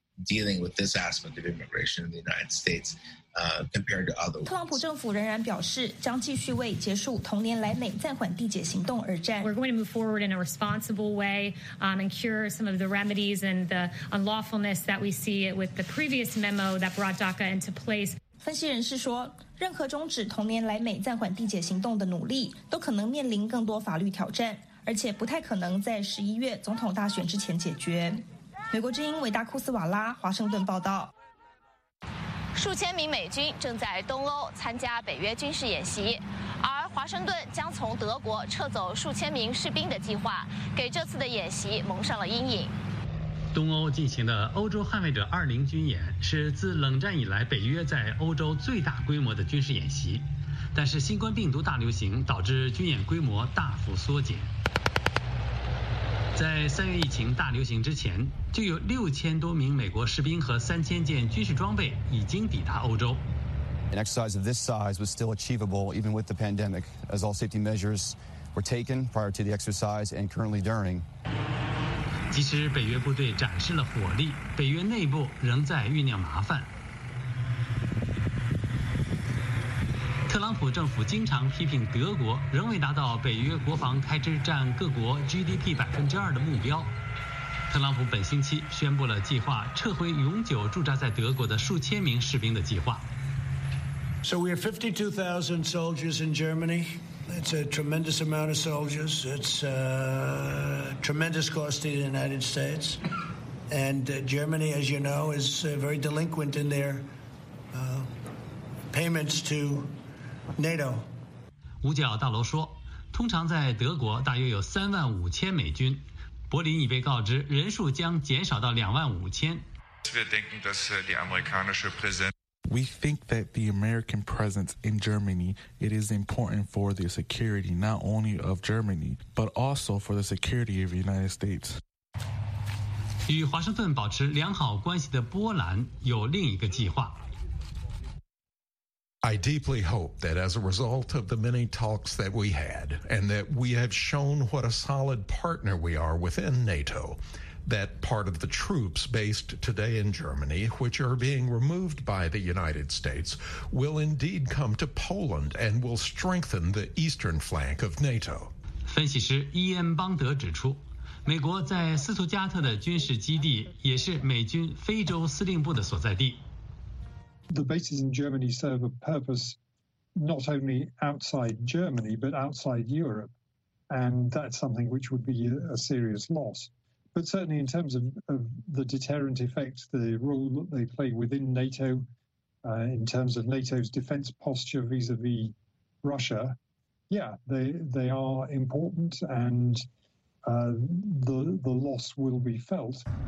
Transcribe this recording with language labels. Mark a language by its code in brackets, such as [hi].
[en] Dealing with this aspect of immigration in the United States, compared to other ones. [zh] 特朗普政府仍然表示将继续为结束同年来美暂缓缔结行动而战。 [en] We're going to move forward in a responsible way, and cure some of the remedies and the unlawfulness that we see with the previous memo that brought DACA into place. [zh] 分析人士说，任何终止同年来美暂缓缔结行动的努力都可能面临更多法律挑战，而且不太可能在11月总统大选之前解决。美国之音维达库斯瓦拉华盛顿报道。数千名美军正在东欧参加北约军事演习，而华盛顿将从德国撤走数千名士兵的计划给这次的演习蒙上了阴影。东欧进行的欧洲捍卫者20军演是自冷战以来北约在欧洲最大规模的军事演习，但是新冠病毒大流行导致军演规模大幅缩减。在三月疫情大流行之前，就有6000多名美国士兵和3000件军事装备已经抵达欧洲。 [en] An exercise of this size was still achievable even with the pandemic, as all safety measures were taken prior to the exercise and currently during. [zh] 即使北约部队展示了火力，北约内部仍在酝酿麻烦。特朗普政府经常批评德国仍未达到北约国防开支占各国 GDP 2%的目标。特朗普本星期宣布了计划撤回永久驻扎在德国的数千名士兵的计划。 [en] So we have 52,000 soldiers in Germany. It's a tremendous amount of soldiers. It's a tremendous cost to the United States. And Germany, as you know, is very delinquent in their payments to NATO. [zh] 五角大楼说，通常在德国大约有35,000美军。柏林已被告知人数将减少到25,000。 [de] Wir denken, dass die amerikanische Präsenz [en] We think that the American presence in Germany, it is important for the security, not only of Germany, but also for the security of the United States. [zh] 与华盛顿保持良好关系的波兰有另一个计划。 [en] I deeply hope that as a result of the many talks that we had, and that we have shown what a solid partner we are within NATO,that part of the troops based today in Germany, which are being removed by the United States, will indeed come to Poland and will strengthen the eastern flank of NATO. [zh] 分析师伊恩·邦德指出，美国在斯图加特的军事基地也是美军非洲司令部的所在地。 [en] The bases in Germany serve a purpose not only outside Germany, but outside Europe. And that's something which would be a serious loss. But certainly in terms of the deterrent effect, the role that they play within NATO, in terms of NATO's defense posture vis-a-vis Russia, yeah, they are important and the loss will be felt.